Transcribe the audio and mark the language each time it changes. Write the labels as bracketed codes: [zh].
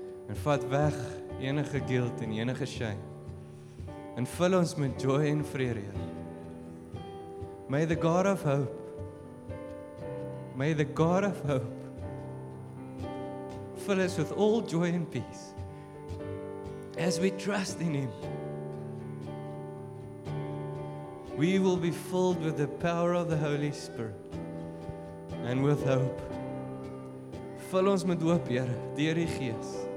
[af] En vat weg enige guilt en enige shame. En vul ons met joy en vrede. [en] May the God of hope, may the God of hope, fill us with all joy and peace. As we trust in Him, we will be filled with the power of the Holy Spirit and with hope. [af] Vul ons met hoop, Here, deur die Gees.